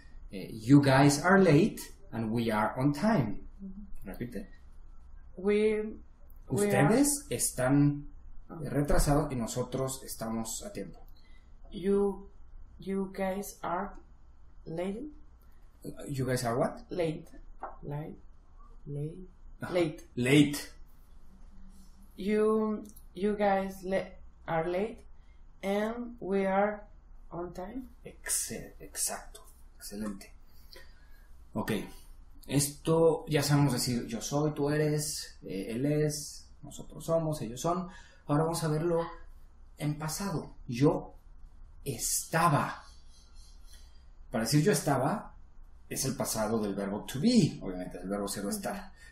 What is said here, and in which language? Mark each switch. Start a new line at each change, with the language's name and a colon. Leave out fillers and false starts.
English: You guys are late and we are on time.
Spanish: Repite.
English: We are.
Spanish: Ustedes están retrasados y nosotros estamos a tiempo.
English: You guys are late. You guys are what? Late. Late. Late. Ajá. Late. Late. You guys are late and we are on time.
Spanish: Exacto. Excelente. Ok. Esto ya sabemos decir yo soy, tú eres, él es, nosotros somos, ellos son. Ahora vamos a verlo en pasado. Yo estaba. Para decir yo estaba, es el pasado del verbo to be, obviamente, del verbo ser o estar.